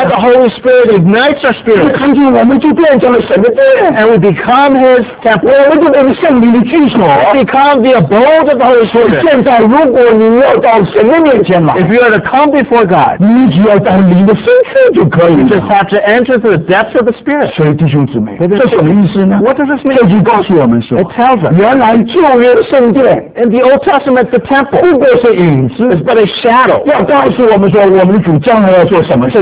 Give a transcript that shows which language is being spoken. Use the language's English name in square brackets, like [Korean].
[English] ，And the Holy Spirit ignites our spirit. [Chinese] 你看见我们就变成了神的殿 [English] ，And we become His temple. [Chinese] 我们就变成圣灵的居所 [English] ，Become the abode of the Holy Spirit. [Chinese] 现在如果你要到神的面前来 [English] ，If you are to come before God， [Chinese] 你只要到灵的深处就可以了。 [English] You just have to enter through the depths of the Spirit。 [Chinese] 所以弟兄姊妹，这什么意思呢 [English] ？What does this mean？ [Chinese] 这句告诉我们说 [English] ，It tells us， [Chinese] 原来旧约的圣殿 [English] ，In the Old Testament the temple， [Chinese] 不过是影子 [English] ，It's but a shadow。 [Chinese] 要告诉我们说，我们的主将来要做什么事